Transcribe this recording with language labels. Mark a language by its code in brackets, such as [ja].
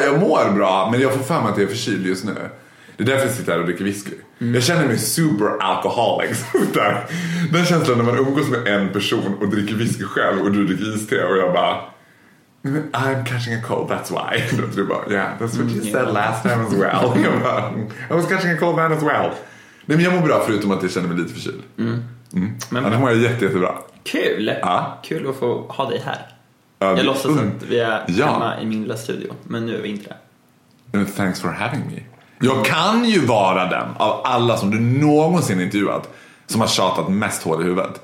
[sv] Jag mår bra, men jag får fan att jag är förkyld just nu. Det är därför jag sitter här och dricker whisky. Mm. Jag känner mig super alkoholic. Den känslan när man umgås med en person och dricker whisky själv och du dricker iste och jag bara, [en] I'm catching a cold, that's why. Yeah, that's what you said last time as well. I was catching a cold man as well. [sv] Nej, men jag mår bra förutom att jag känner mig lite förkyld. Mm. Men annars mår jag jättebra. Kul. Ja. Kul att få ha dig här. Jag låtsas att vi är hemma i min lilla studio, men nu är vi inte där. [en] Thanks for having me. [sv] Jag kan ju vara den av alla som du någonsin intervjuat som har tjatat mest hål i huvudet.